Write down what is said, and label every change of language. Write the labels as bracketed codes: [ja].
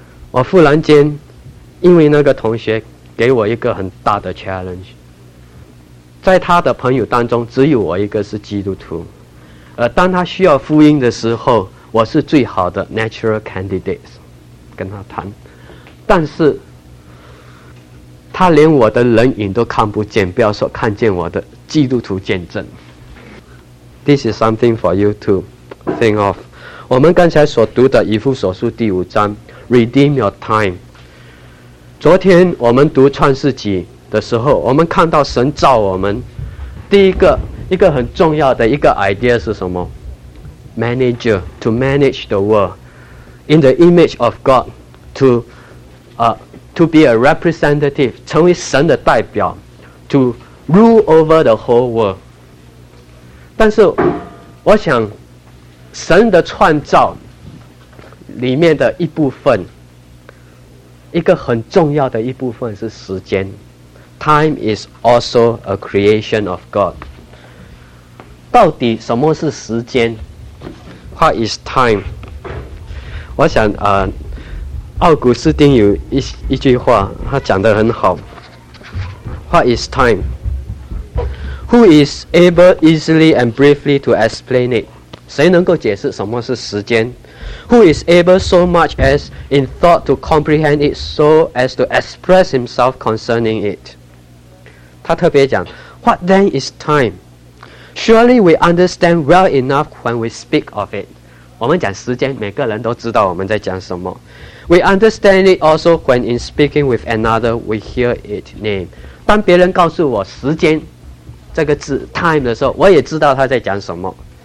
[zh] 我忽然间因为那个同学给我一个很大的 challenge， 在他的朋友当中只有我一个是基督徒，而当他需要福音的时候，我是最好的 natural candidate 跟他谈。但是他连我的人影都看不见，不要说看见我的基督徒见证。 [en] This is something for you to think of. [zh] 我们刚才所读的以弗所书第五章 [en] Redeem your time. [zh] 昨天我们读创世纪的时候，我们看到神造我们第一个很重要的一个 idea 是什么？ [en] Manager, to manage the world in the image of God, to be a representative, [zh] 成为神的代表， [en] to rule over the whole world. [zh] 但是我想神的创造里面的一部分，一个很重要的一部分是时间。 [en] Time is also a creation of God. [zh] 到底什么是时间？ [en] What is time? [zh] 我想奥古斯丁有一句话，他讲得很好。 [en] What is time? Who is able easily and briefly to explain it? [zh] 谁能够解释什么是时间？ [en] Who is able so much as in thought to comprehend it so as to express himself concerning it? [zh] 他特别讲， [en] What then is time? Surely we understand well enough when we speak of it. [zh] 我们讲时间，每个人都知道我们在讲什么。 [en] We understand it also when in speaking with another we hear it named. [zh] 当别人告诉我时间这个字 time 的时候，我也知道他在讲什么。